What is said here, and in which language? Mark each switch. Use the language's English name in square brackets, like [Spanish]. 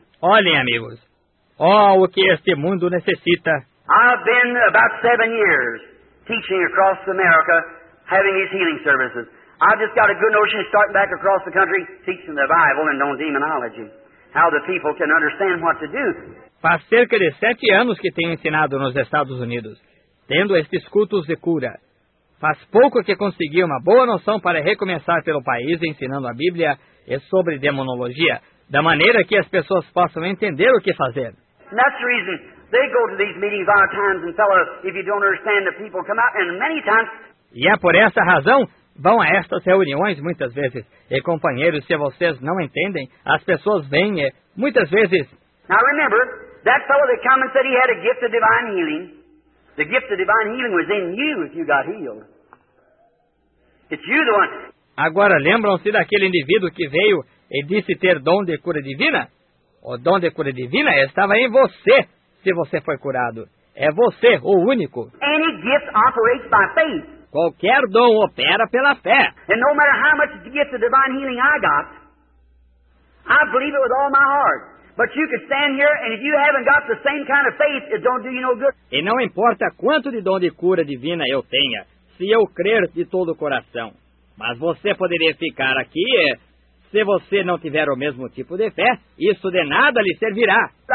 [Portuguese] Olhem, amigos. Oh, o que este mundo necessita. [English] I've been about 7 years teaching across America, having these healing services. I've just got a good notion of starting back across the country teaching the Bible and on demonology, how the people can understand what to do. [Portuguese] Faz cerca de 7 anos que tenho ensinado nos Estados Unidos, tendo estes cultos de cura. Faz pouco que consegui uma boa noção para recomeçar pelo país ensinando a Bíblia e sobre demonologia, da maneira que as pessoas possam entender o que fazer. [English] That's the reason they go to these meetings all times and tell us if you don't understand the people come out and many times. [Portuguese] E é por essa razão vão a estas reuniões muitas vezes. E companheiros, se vocês não entendem, as pessoas vêm e muitas vezes. [English] Now remember that fellow that came and said he had a gift of divine healing. The gift of divine healing was in you if you got healed. It's you the one. [Portuguese] Agora lembram-se daquele indivíduo que veio e disse ter dom de cura divina? O dom de cura divina estava em você, se você foi curado. É você, o único. [English] Any gift operates by faith. [Portuguese] Qualquer dom opera pela fé. [English] And no matter how much gift of divine healing I got, I believe it with all my heart. But you can stand here, and if you haven't got the same kind of faith, it don't do you no good. [Portuguese] E não importa quanto de dom de cura divina eu tenha, se eu crer de todo o coração. Mas você poderia ficar aqui e... Se você não tiver o mesmo tipo de fé, isso de nada lhe servirá.